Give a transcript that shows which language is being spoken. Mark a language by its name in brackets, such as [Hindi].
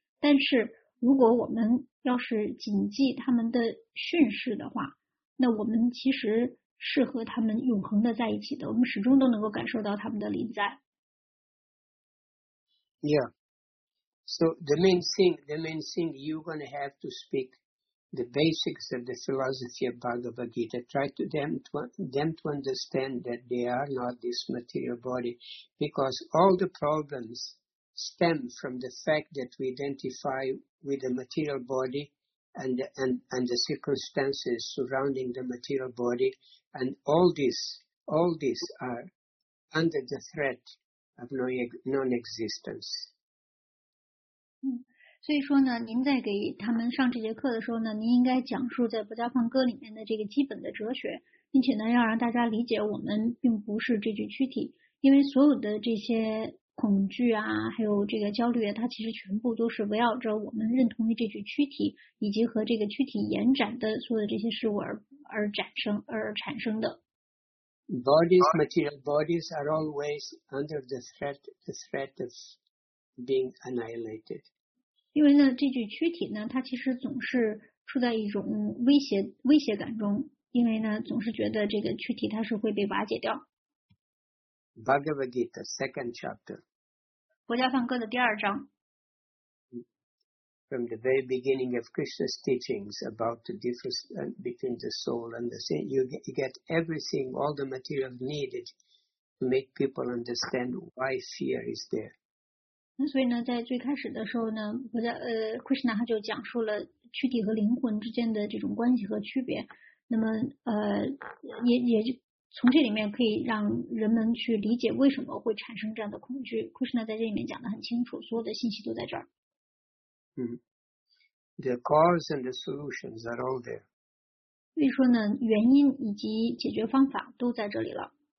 [Chinese] 但是如果我们要是谨记他们的训示的话，那我们其实是和他们永恒的在一起的，我们始终都能够感受到他们的临在。 Yeah. [English] So the main thing you're going to have to speak the basics of the philosophy of Bhagavad Gita. Try to them to understand that they are not this material body, because all the problems stem from the fact that we identify with the material body. And the circumstances surrounding the material body, and all this are under the threat of non-existence. [Chinese] 所以说呢，您在给他们上这节课的时候呢，您应该讲述在《不加放歌》里面的这个基本的哲学，并且呢，要让大家理解我们并不是这具躯体，因为所有的这些恐惧啊，还有这个焦虑啊，它其实全部都是围绕着我们认同于这具躯体，以及和这个躯体延展的所有的这些事物而产生的。 [English] Bodies, material bodies are always under the threat of being annihilated. [Chinese] 因为呢，这具躯体呢，它其实总是处在一种威胁感中，因为呢，总是觉得这个躯体它是会被瓦解掉。 [English] Bhagavad Gita, second chapter. [Chinese] 国家梵歌的第二章。 [English] From the very beginning of Krishna's teachings about the difference between the soul and the sin, you get everything, all the materials needed to make people understand why fear is there. [Chinese] 那所以呢，在最开始的时候呢，Krishna 他就讲述了躯体和灵魂之间的这种关系和区别。那么也就从这里面可以让人们去理解为什么会产生这样的恐惧。 Krishna 在这里面讲得很清楚，所有的信息都在这儿。 [English] The cause and the solutions are all there. [Chinese] 所以说呢，原因以及解决方法都在这里了。